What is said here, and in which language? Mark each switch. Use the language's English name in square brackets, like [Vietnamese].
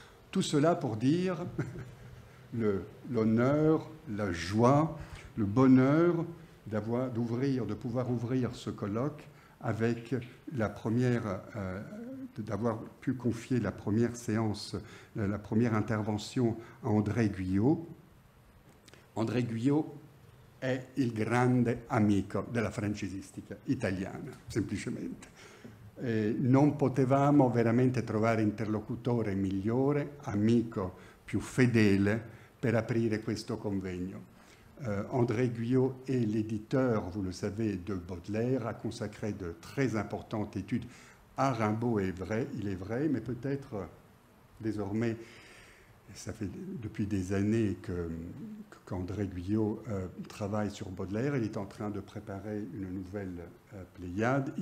[French] Tout cela pour dire l'honneur, la joie, le bonheur de pouvoir ouvrir ce colloque avec la première, d'avoir pu confier la première séance, la première intervention à André Guyot. [Italian] André Guyot est il grande amico della francesistica italiana, semplicemente. Non potevamo veramente trovare interlocutore migliore, amico più fedele per aprire questo convegno. [French] André Guyot est l'éditeur, vous le savez, de Baudelaire, a consacré de très importantes études à Rimbaud, il est vrai, mais peut-être désormais, ça fait depuis des années qu'André Guyot travaille sur Baudelaire, il est en train de préparer une nouvelle Pléiade.